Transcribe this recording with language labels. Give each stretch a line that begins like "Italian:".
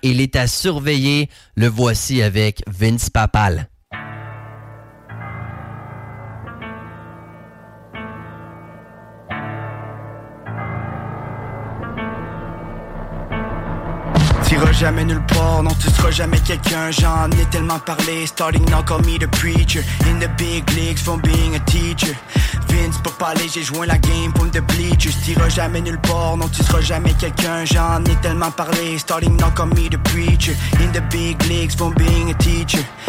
French: Il est à surveiller. Le voici avec Vince Papal. T'iras jamais nulle part, non tu seras jamais quelqu'un. J'en ai tellement parlé,
English: starting now call me the preacher. In the big leagues from being a teacher.
French: Vince pour parler, j'ai joint la game
English: from the bleachers.
French: T'iras jamais nulle part, non tu seras jamais quelqu'un. J'en ai tellement parlé,
English: starting now call me the preacher. In the big leagues from being a teacher.